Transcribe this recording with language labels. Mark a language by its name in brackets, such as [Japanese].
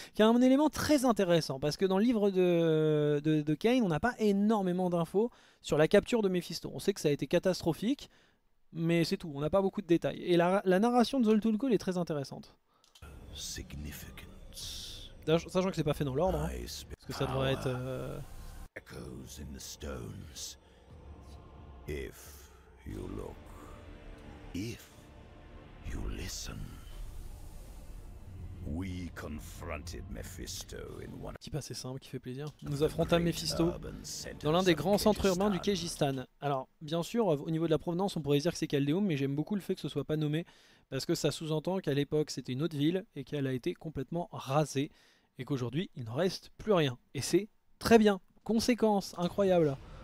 [French] Qui a un élément très intéressant, parce que dans le livre de Kane, on n'a pas énormément d'infos sur la capture de Mephisto. On sait que ça a été catastrophique, mais c'est tout, on n'a pas beaucoup de détails. Et la narration de Zoltunkul est très intéressante. [English] Significance. [French] Sachant que c'est pas fait dans l'ordre, hein, parce que ça devrait être... [English] Echoes in the stones. If you look, if you listen, we confronted Mephisto in one. [French] Qui passe simple, qui fait plaisir. Nous affrontâmes Mephisto dans l'un des grands centres urbains du Kegistan. Alors, bien sûr, au niveau de la provenance, on pourrait dire que c'est Caldeum, mais j'aime beaucoup le fait que ce soit pas nommé parce que ça sous-entend qu'à l'époque c'était une autre ville et qu'elle a été complètement rasée et qu'aujourd'hui il ne reste plus rien. Et c'est très bien. Conséquence incroyable.